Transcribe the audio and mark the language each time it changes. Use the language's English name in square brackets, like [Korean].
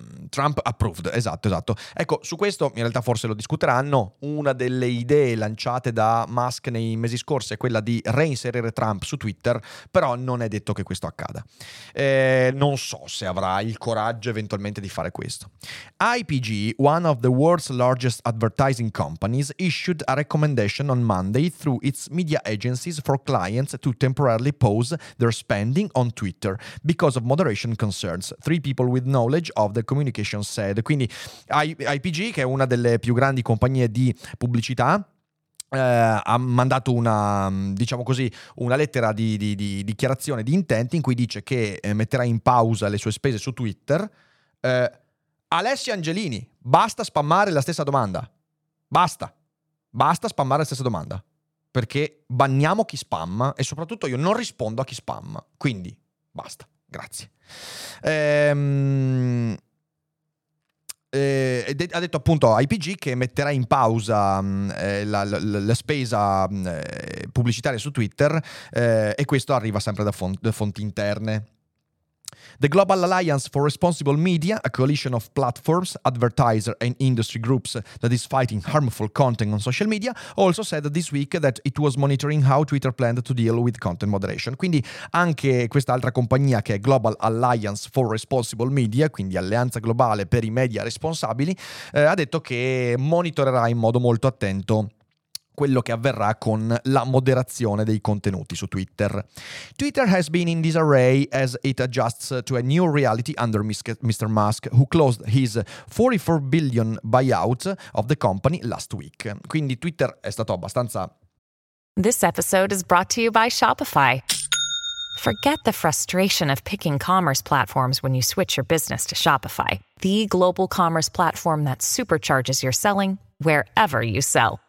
[English] Trump approved, [Italian] esatto. Ecco, su questo in realtà forse lo discuteranno. Una delle idee lanciate da Musk nei mesi scorsi è quella di reinserire Trump su Twitter, però non è detto che questo accada. Non so se avrà il coraggio eventualmente di fare questo. [English] IPG, one of the world's largest advertising companies, issued a recommendation on Monday through its media agencies for clients to temporarily pause their spending on Twitter because of moderation concerns. Three people with knowledge of the communication said. [Italian] Quindi IPG, che è una delle più grandi compagnie di pubblicità, ha mandato una, diciamo così, una lettera di dichiarazione di intenti in cui dice che metterà in pausa le sue spese su Twitter. Alessio Angelini, basta spammare la stessa domanda. Basta spammare la stessa domanda. Perché banniamo chi spamma e soprattutto io non rispondo a chi spamma. Quindi, basta. Grazie. Ha detto appunto IPG che metterà in pausa la spesa pubblicitaria su Twitter, e questo arriva sempre da fonti interne. [English] The Global Alliance for Responsible Media, a coalition of platforms, advertisers and industry groups that is fighting harmful content on social media, also said this week that it was monitoring how Twitter planned to deal with content moderation. [Italian] Quindi anche quest'altra compagnia, che è Global Alliance for Responsible Media, quindi alleanza globale per i media responsabili, ha detto che monitorerà in modo molto attento quello che avverrà con la moderazione dei contenuti su Twitter. [English] Twitter has been in disarray as it adjusts to a new reality under Mr. Musk, who closed his $44 billion buyout of the company last week. [Italian] Quindi Twitter è stato abbastanza... [English] This episode is brought to you by Shopify. Forget the frustration of picking commerce platforms when you switch your business to Shopify, the global commerce platform that supercharges your selling wherever you sell.